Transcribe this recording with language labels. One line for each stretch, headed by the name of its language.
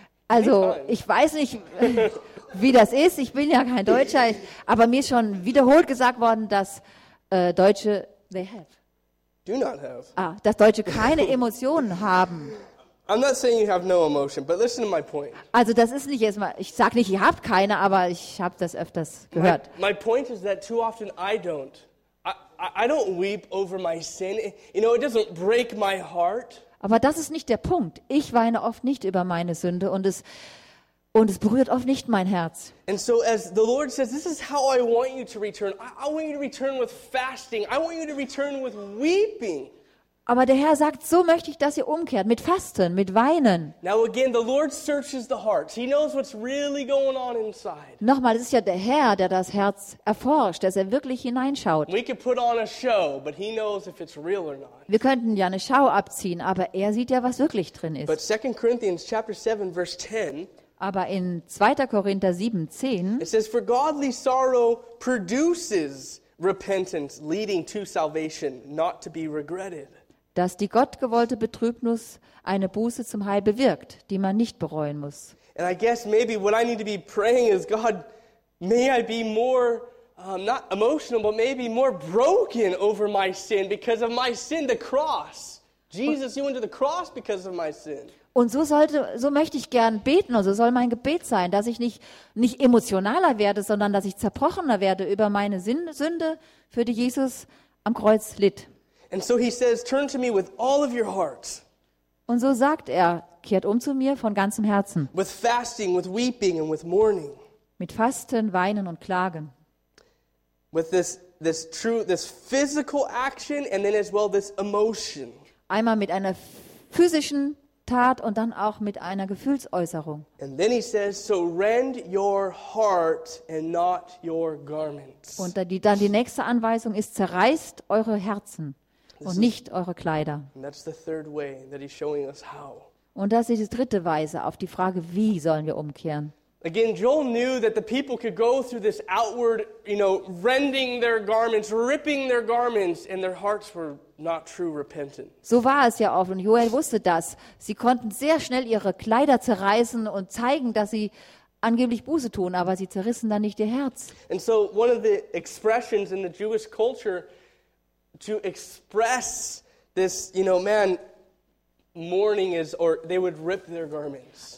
German: Also, ich weiß nicht, wie das ist, ich bin ja kein Deutscher, aber mir ist schon wiederholt gesagt worden, dass Deutsche
English: they have. Do not have.
German: Ah, dass Deutsche keine Emotionen haben.
English: I'm not saying you have no emotion, but listen to my point.
German: Also, das ist nicht erstmal, ich sag nicht, ihr habt keine, aber ich habe das öfters gehört.
English: My point is that too often I don't. I don't weep over my sin. You know, it doesn't break my heart.
German: Aber das ist nicht der Punkt. Ich weine oft nicht über meine Sünde und es berührt oft nicht mein Herz.
English: And so as the Lord says, this is how I want you to return. I want you to return with fasting. I want you to return with weeping.
German: Aber der Herr sagt, so möchte ich, dass ihr umkehrt, mit Fasten, mit Weinen.
English: Now again, the Lord searches the heart. He knows what's really going on inside.
German: Nochmal, es ist ja der Herr, der das Herz erforscht, dass er wirklich hineinschaut.
English: We could put on a show, but he knows if it's real or not.
German: Wir könnten ja eine Schau abziehen, aber er sieht ja, was wirklich drin ist.
English: But 2 Corinthians chapter 7 verse 10.
German: Aber in 2. Korinther 7:10.
English: It says, for godly sorrow produces repentance leading to salvation, not to be regretted.
German: Dass die gottgewollte Betrübnis eine Buße zum Heil bewirkt, die man nicht bereuen muss.
English: And I guess maybe what I need to be praying is, God, may I be more, not emotional, but maybe more broken over my sin because of my sin, the cross. Jesus, you went to the cross because of my sin.
German: Und so möchte ich gern beten, und so soll mein Gebet sein, dass ich nicht emotionaler werde, sondern dass ich zerbrochener werde über meine Sünde, für die Jesus am Kreuz litt.
English: And so he says, turn to me with all of your heart.
German: Und so sagt er, kehrt zu mir von ganzem Herzen.
English: With fasting, with weeping and with mourning.
German: Mit Fasten, Weinen und Klagen.
English: With this physical action and then as well this emotion.
German: Einmal mit einer physischen Tat und dann auch mit einer Gefühlsäußerung.
English: And then he says, so rend your heart and not your garments.
German: Und dann die nächste Anweisung ist, zerreißt eure Herzen und nicht eure Kleider.
English: And that's the third way that he's showing us how.
German: Und das ist die dritte Weise auf die Frage, wie sollen wir umkehren?
English: Again, Joel knew that the people could go through this outward, you know, rending their garments, ripping their garments, and their hearts were not true repentant.
German: So war es ja oft, und Joel wusste das. Sie konnten sehr schnell ihre Kleider zerreißen und zeigen, dass sie angeblich Buße tun, aber sie zerrissen dann nicht ihr Herz.
English: And so one of the expressions in the Jewish culture to express this, you know, man, mourning is, or they would rip their garments.